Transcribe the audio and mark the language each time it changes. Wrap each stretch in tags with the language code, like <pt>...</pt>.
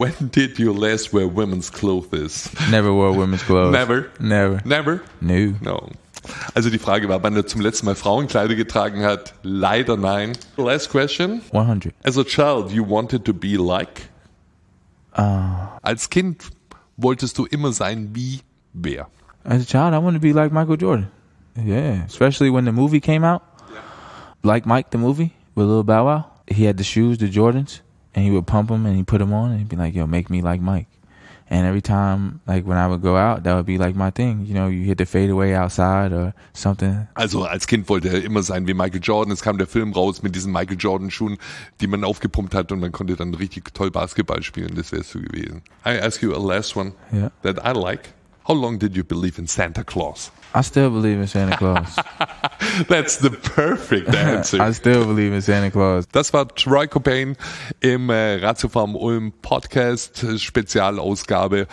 <en>When did you last wear women's clothes? Never wore women's clothes. Never? Never. Never? No. No.</en> <de>Also die Frage war, wann er zum letzten Mal Frauenkleider getragen hat. Leider nein.</de> <en>Last question. 100. As a child, you wanted to be like?</en> <de>Als Kind wolltest du immer sein wie wer?</de> <en>As a child, I wanted to be like Michael Jordan. Yeah. Especially when the movie came out. Like Mike, the movie with Lil Bow Wow, he had the shoes, the Jordans, and he would pump them and he put them on and he'd be like, "Yo, make me like Mike." And every time, like when I would go out, that would be like my thing. You know, you hit the fadeaway outside or something.</en> <de>Also als Kind wollte er immer sein wie Michael Jordan. Es kam der Film raus mit diesen Michael Jordan Schuhen, die man aufgepumpt hat und man konnte dann richtig toll Basketball spielen. Das wär's so gewesen.</de> <en>I ask you a last one that I like. How long did you believe in Santa Claus? I still believe in Santa Claus. That's the perfect answer. I still believe in Santa Claus.</en> <de>Das war Troy Cobain im Ratiofarm Ulm Podcast Spezialausgabe.</de>